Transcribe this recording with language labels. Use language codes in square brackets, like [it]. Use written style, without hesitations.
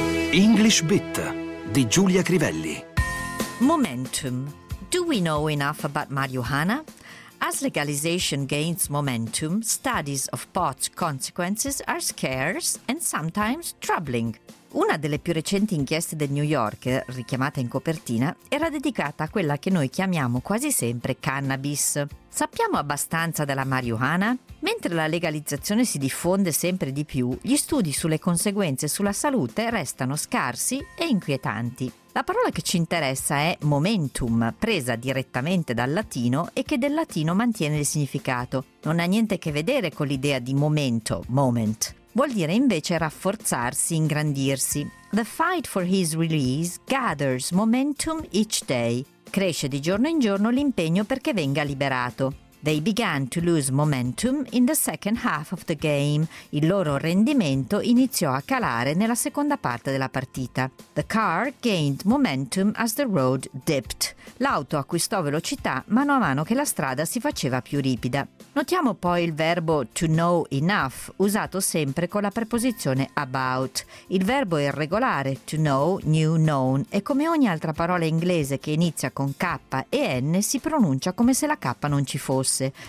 [it] English Bit di Giulia Crivelli. [en] Momentum. Do we know enough about marijuana? As legalization gains momentum, studies of pot consequences are scarce and sometimes troubling. [it] Una delle più recenti inchieste del New York, richiamata in copertina, era dedicata a quella che noi chiamiamo quasi sempre cannabis. Sappiamo abbastanza della marijuana? Mentre la legalizzazione si diffonde sempre di più, gli studi sulle conseguenze sulla salute restano scarsi e inquietanti. La parola che ci interessa è momentum, presa direttamente dal latino e che del latino mantiene il significato. Non ha niente a che vedere con l'idea di momento, moment. Vuol dire invece rafforzarsi, ingrandirsi. [en] The fight for his release gathers momentum each day. [it] Cresce di giorno in giorno l'impegno perché venga liberato. [en] They began to lose momentum in the second half of the game. [it] Il loro rendimento iniziò a calare nella seconda parte della partita. [en] The car gained momentum as the road dipped. [it] L'auto acquistò velocità mano a mano che la strada si faceva più ripida. Notiamo poi il verbo to know enough, usato sempre con la preposizione about. Il verbo è irregolare, to know, new, known, e come ogni altra parola inglese che inizia con K e N si pronuncia come se la K non ci fosse.